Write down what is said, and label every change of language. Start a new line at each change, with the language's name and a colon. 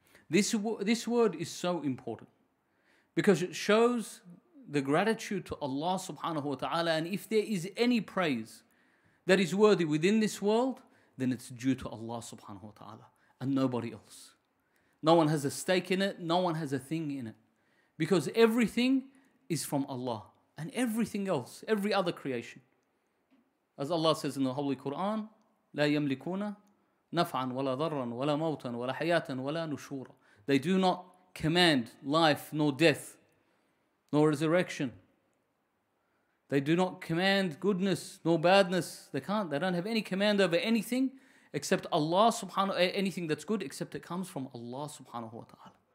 English: This word is so important because it shows the gratitude to Allah subhanahu wa ta'ala, and if there is any praise that is worthy within this world, then it's due to Allah subhanahu wa ta'ala and nobody else. No one has a stake in it, no one has a thing in it, because everything is from Allah and everything else, every other creation. As Allah says in the Holy Quran,
Arabic: لا يملكون نفعا ولا ضرا ولا موتا ولا حياة ولا نشورا.
English: They do not command life nor death, nor resurrection. They do not command goodness nor badness. They can't. They don't have any command over anything except Allah subhanahu, anything that's good except it comes from Allah subhanahu wa ta'ala.